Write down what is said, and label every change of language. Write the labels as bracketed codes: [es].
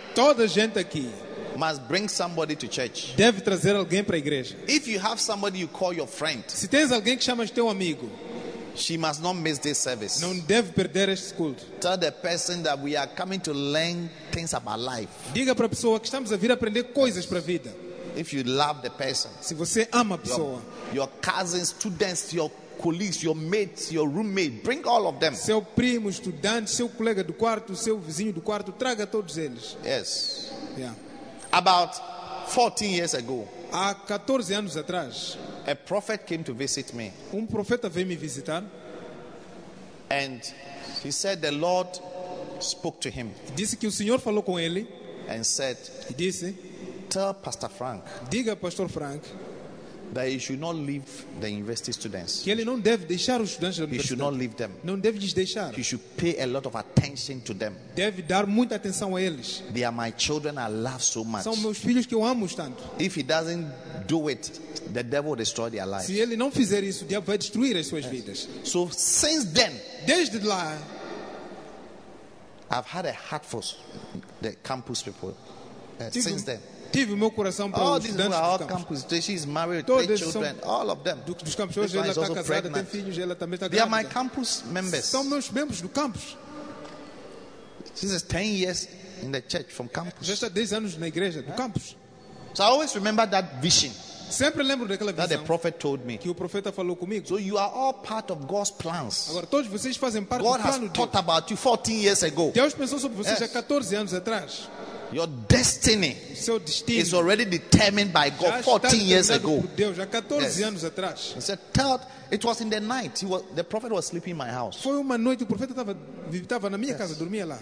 [pt] Toda gente aqui. [en] Must bring somebody to church. [pt] Deve trazer alguém para a igreja. [en] If you have somebody you call your friend. [pt] Se tens alguém que chamas teu amigo. [en] She must not miss this service. [pt] Não deve perder este culto. [en] Tell the person that we are coming to learn things about life. [pt] Diga para a pessoa que estamos a vir aprender coisas para a vida. [en] If you love the person, [pt] se você ama a pessoa, [en] your cousins, students, your colleagues, your mates, your roommate, bring all of them. [pt] Seu primo, estudante, seu colega do quarto, seu vizinho do quarto, traga todos eles. [en] Yes. Yeah. About 14 years ago, [pt] há 14 anos atrás, [en] a prophet came to visit me. [pt] Profeta veio me visitar. [en] And he said the Lord spoke to him. [pt] Disse que o Senhor falou com ele. [en] And said, [pt] e disse, [en] tell Pastor Frank, [pt] diga Pastor Frank, [en] that he should not leave the university students. [pt] Que ele não deve deixar os estudantes da universidade. [en] He should not leave them. [pt] Não deve lhes deixar. [en] He should pay a lot of attention to them. [pt] Deve dar muita atenção a eles. [en] They are my children I love so much. [pt] São meus filhos que eu amo tanto. [en] If he doesn't do it, the devil will destroy their lives. [pt] Se ele não fizer isso, o diabo vai destruir as suas vidas. [en] So since then, [pt] desde lá, [en] I've had a heart for the campus people. Since then. [pt] Tive meu coração para [en] all [pt] os estudantes [en] all [pt] do campus. [en] She is married with three children. All of them. [pt] Dos campos. Hoje ela está casada, [en] pregnant. [pt] Tem filhos, ela também está grávida. [en] They are my campus members. [pt] São meus membros do campus. [en] She is 10 years in the church from campus. [pt] Já está 10 anos na igreja do campus. [en] So I always remember that vision. [pt] Sempre lembro daquela visão. [en] That the prophet told me. [pt] Que o profeta falou comigo. [en] So you are all part of God's plans. [pt] Agora todos vocês fazem parte [en] God [pt] do plano de Deus. [en] God has thought about you 14 years ago. [pt] Deus pensou sobre vocês há 14 anos atrás. [en] Your destiny [pt] seu destino [en] is already determined by God 14 years ago. [pt] Deus, há 14 anos atrás. [en] He said, tell, it was in the night. The prophet was sleeping in my house. [pt] Foi uma noite, o profeta estava na minha casa, dormia lá.